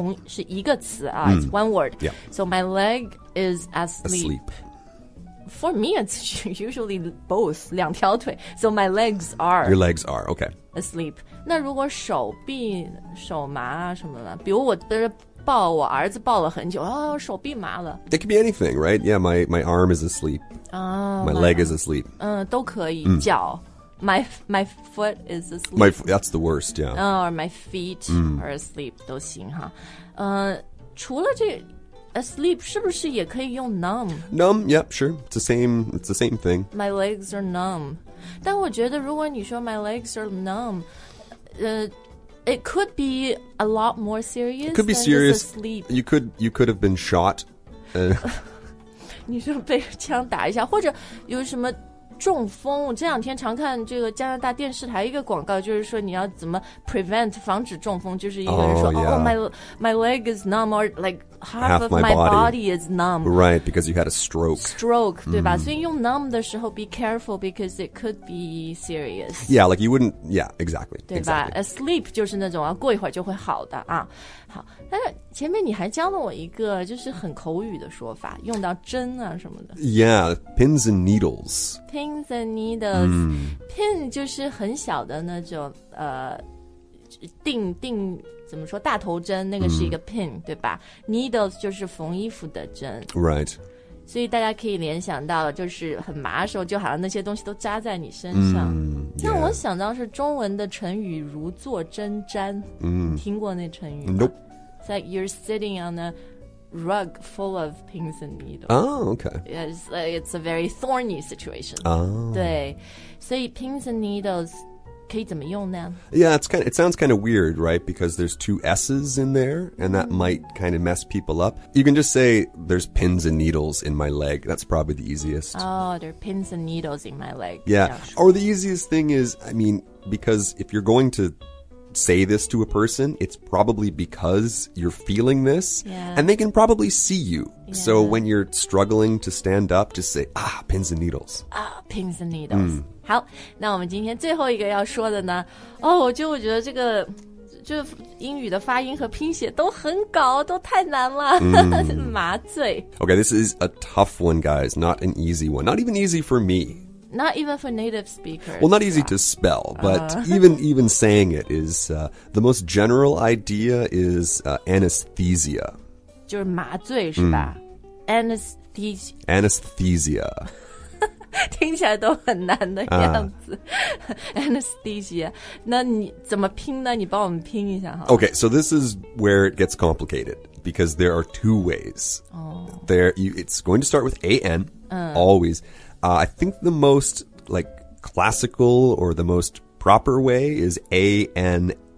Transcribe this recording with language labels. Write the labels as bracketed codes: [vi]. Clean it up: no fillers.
[zh] 是一个词啊、 [en] It's one word、So my leg is asleep For me, it's usually both, 两条腿 So my legs are... Your legs are, okay. Asleep. [zh] 那如果手臂、手麻什么的比如我抱我儿子抱了很久、手臂麻了。 [en] It could be anything, right? Yeah, my arm is asleep.、My leg is asleep.、 [zh] 都可以、脚。 [en] My foot is asleep. That's the worst, yeah.、 or my feet、are asleep, [zh] 都行哈。除了这个Asleep, 是不是也可以用 numb? [en] Numb, yep, sure. It's the same thing. My legs are numb. [zh] 但我觉得如果你说 [en] my legs are numb, it could be a lot more serious. It could be serious. Asleep. You could have been shot. [zh] 你说被枪打一下或者有什么中风这两天常看这个加拿大电视台一个广告就是说你要怎么 prevent 防止中风就是一个人说 [en] my leg is numb [zh] or like half of my body is numb [en] right because you had a stroke [zh] 对吧、所以用 numb 的时候 [en] be careful because it could be serious yeah like you wouldn't yeah exactly [zh] 对吧 asleep 就是那种过一会儿就会好的啊好但是前面你还教了我一个就是很口语的说法用到针啊什么的 [en] yeah pins and needlesp [zh] ins and needles、pin 就是很小的那种定怎么说大头针那个是一个 pin、对吧 needles 就是缝衣服的针 [en] right [zh] 所以大家可以联想到就是很麻的时候就好像那些东西都扎在你身上、 [en] yeah. [zh] 那我想到是中文的成语如坐针毡、听过那成语吗 [en] nope it's like you're sitting on aRug full of pins and needles. Oh, okay. It's a very thorny situation. Oh. [zh] 对，所以 pins and needles 可以怎么用呢 [en] Yeah, it sounds kind of weird, right? Because there's two S's in there, and that might kind of mess people up. You can just say, there's pins and needles in my leg. That's probably the easiest. Oh, there are pins and needles in my leg. Yeah. Or the easiest thing is, I mean, because if you're going to say this to a person, it's probably because you're feeling this. Yeah. And they can probably see you. Yeah. So when you're struggling to stand up, just say, ah, pins and needles. Ah, pins and needles.、Mm. [zh] 好，那我们今天最后一个要说的呢，哦，就我觉得这个就英语的发音和拼写都很搞，都太难了、 mm. 麻醉。 [en] Okay, this is a tough one, guys. Not an easy one. Not even easy for me. Not even for native speakers. Well, not easy、yeah. to spell, but、even saying it is、the most general idea is、anesthesia. [zh] 就是麻醉是吧、mm. Anesthesia. 听起来都很难的样子、Anesthesia. 那你怎么拼呢？你帮我们拼一下哈。 [en] Okay, so this is where it gets complicated, because there are two ways.、 Oh. It's going to start with A-N,、 mm. always.、I think the most like, classical or the most proper way is A-N-A-E,、